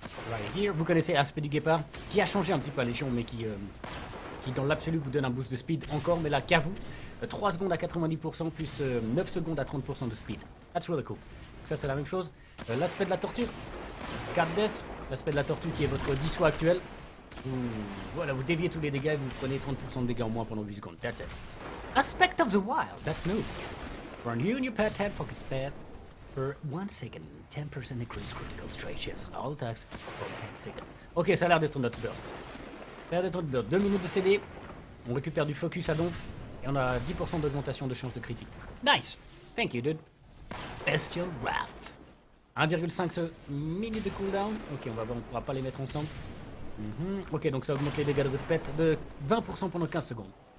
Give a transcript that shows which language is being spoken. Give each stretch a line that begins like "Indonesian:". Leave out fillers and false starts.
English: Right here,
French: vous connaissez l'aspect du guépard, qui a changé un petit peu à Légion, mais qui dans l'absolu vous donne un boost de speed encore, mais là qu'à vous. 3 secondes à 90% plus 9 secondes à 30% de speed.
English: That's really cool.
French: Donc ça c'est la même chose. L'aspect de la tortue. Card Death, l'aspect de la tortue qui est votre dissuas actuel. Voilà, vous déviez tous les dégâts et vous prenez 30% de dégâts en moins pendant 8 secondes.
English: That's it. Aspect of the Wild, that's new. For you and your pet, 10 focus pet per 1 second. 10% increase critical strike chance on all attacks for 10 seconds.
French: Ok, ça a l'air d'être notre burst. Ça a l'air d'être notre burst. 2 minutes de CD. On récupère du focus à donf. Et on a 10% d'augmentation de chance de critique.
English: Nice! Thank you, dude. Bestial Wrath.
French: 1,5 minutes de cooldown. Ok, on va voir, on pourra pas les mettre ensemble. Ok, donc ça augmente les dégâts de votre pet de 20% pendant 15 secondes.